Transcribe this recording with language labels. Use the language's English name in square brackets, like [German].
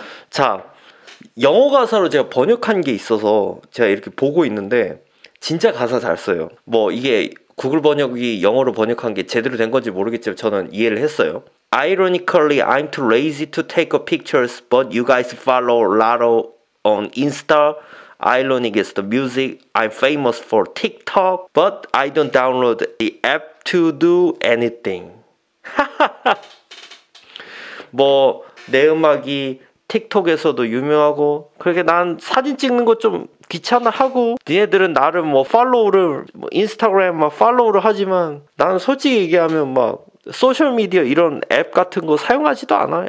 [Korean] 자, 영어 가사로 제가 번역한 게 있어서 제가 이렇게 보고 있는데 진짜 가사 잘 써요. 뭐 이게 구글 번역이 영어로 번역한 게 제대로 된 건지 모르겠지만 저는 이해를 했어요. [English] Ironically, I'm too lazy to take a pictures, but you guys follow Laro on Insta. Ironic is the music. I'm famous for TikTok, but I don't download the app to do anything. [Korean] 뭐 내 음악이 틱톡에서도 유명하고 그렇게 난 사진 찍는 거 좀 귀찮아하고 니네들은 나를 뭐 팔로우를 뭐 인스타그램 막 팔로우를 하지만 난 솔직히 얘기하면 막 소셜미디어 이런 앱 같은 거 사용하지도 않아.